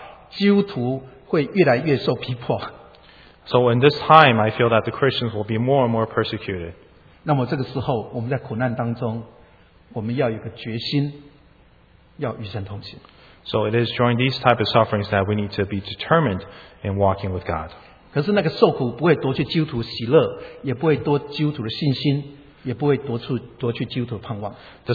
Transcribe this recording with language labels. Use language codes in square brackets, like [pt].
[zh] 所以在现在这个时代，基督徒越来越受逼迫的时代当中，我跟你警告，基督徒会越来越受逼迫。 [en] So in this time, I feel that the Christians will be more and more persecuted. [zh] 那么这个时候，我们在苦难当中，我们要有个决心，要与神同行。 [en] So it is during these type of sufferings that we need to be determined in walking with God. [zh] 可是那个受苦不会夺去基督徒喜乐，也不会夺基督徒的信心，也不会夺去基督徒的盼望。 [en] The